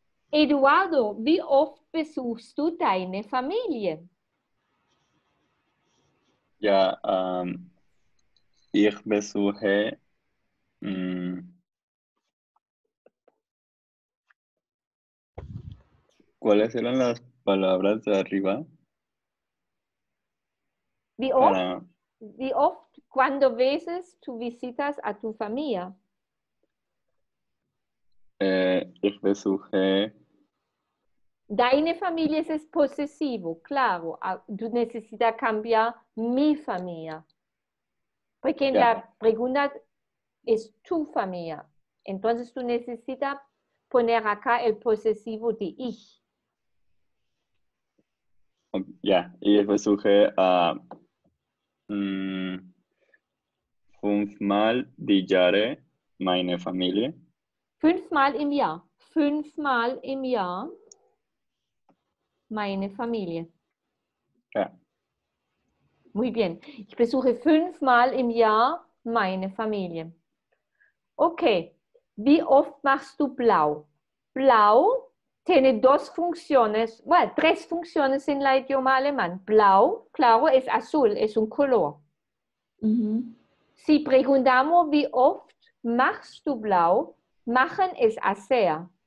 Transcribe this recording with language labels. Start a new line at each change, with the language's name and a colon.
German: Eduardo, wie oft besuchst du deine Familie? Ja, ich besuche
Spanish: ¿cuáles eran las palabras de arriba?
German: Wie oft? Wie oft,
Spanish: cuando veces tú visitas a tu familia?
German: Ich besuche deine Familie
Spanish: es posesivo, claro. Du necesitas cambiar mi familia. Porque en la pregunta es tu familia. Entonces tú necesitas poner acá el posesivo de ich.
German: Ja, ich besuche fünfmal die Jahre meine Familie. Fünfmal im Jahr. Fünfmal im Jahr meine Familie. Ja.
Spanish: Muy bien.
German: Ich besuche fünfmal im Jahr meine Familie. Okay. Wie oft machst du blau?
Spanish: Blau tiene dos funciones, bueno, tres funciones en la idioma alemán. Blau, claro, es azul, es un color. Mm-hmm. Si preguntamos
German: wie oft machst du blau,
Spanish: machen es hacer.